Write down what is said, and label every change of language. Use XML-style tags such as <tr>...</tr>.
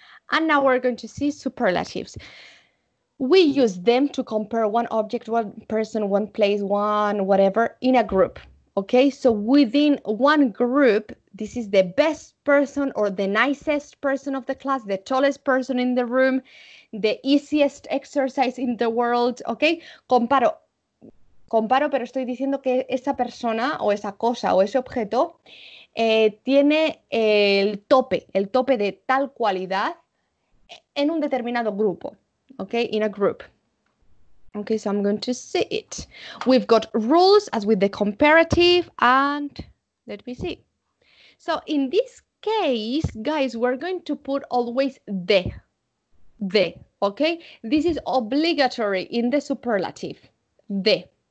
<en>And now we're going to see superlatives. We use them to compare one object, one person, one place, one whatever, in a group. Okay, so within one group, this is the best person or the nicest person of the class, the tallest person in the room, the easiest exercise in the world.</en> <es>Okay, comparo, pero estoy diciendo que esa persona o esa cosa o ese objeto tiene el tope de tal cualidad en un determinado grupo.</es> <en>Okay, in a group. Okay, so I'm going to see it. We've got rules as with the comparative, and let me see. So in this case, guys, we're going to put always the, okay? This is obligatory in the superlative, the.</en>